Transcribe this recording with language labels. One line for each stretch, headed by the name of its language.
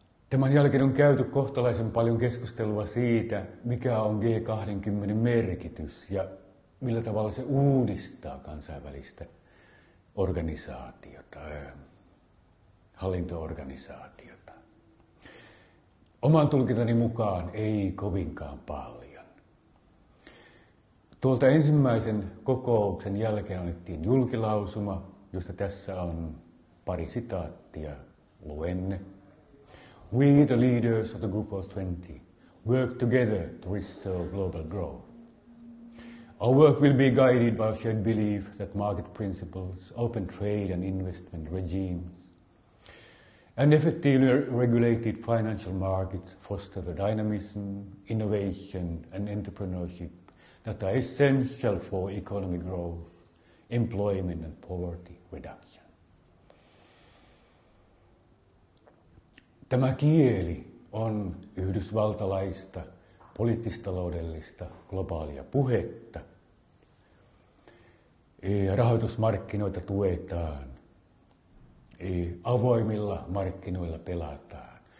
Finnish: Tämän jälkeen on käyty kohtalaisen paljon keskustelua siitä, mikä on G20 merkitys ja millä tavalla se uudistaa kansainvälistä organisaatiota, hallinto-organisaatiota. Oman tulkintani mukaan ei kovinkaan paljon. Tuolta ensimmäisen kokouksen jälkeen annettiin julkilausuma, josta tässä on pari sitaattia luenne.
English: We, the leaders of the Group of 20, work together to restore global growth. Our work will be guided by a shared belief that market principles, open trade and investment regimes, and effectively regulated financial markets foster the dynamism, innovation, and entrepreneurship that are essential for economic growth, employment, and poverty reduction.
Finnish: Tämä kieli on yhdysvaltalaista, poliittistaloudellista, globaalia puhetta. Rahoitusmarkkinoita tuetaan. Avoimilla markkinoilla pelataan.